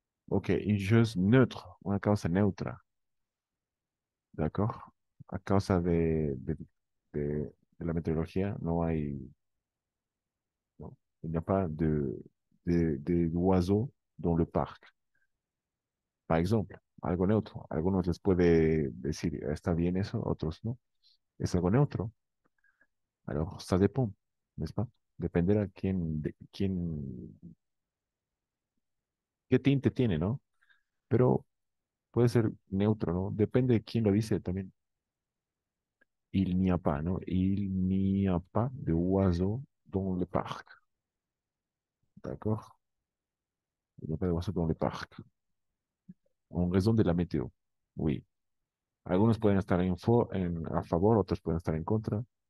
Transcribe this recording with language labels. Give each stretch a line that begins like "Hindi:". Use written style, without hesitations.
French: OK, une chose neutre, une cause neutre. D'accord? À cause de la météorologie, il n'y a pas d'oiseaux dans le parc. Par exemple,
Spanish: algo neutro. Algunos les puede decir, está bien eso, otros no. Es algo neutro.
French: Alors, ça dépend, n'est-ce pas?
Spanish: Dependerá quién, de quién, qué tinte tiene, ¿no? Pero puede ser neutro, ¿no? Depende de quién lo dice también.
French: Il n'y a pas, ¿no? Il n'y a pas de oiseau dans le parc. D'accord? Il n'y a pas de oiseau dans le parc. En raison de la météo, oui.
Spanish: Algunos pueden estar a favor, otros pueden estar en contra.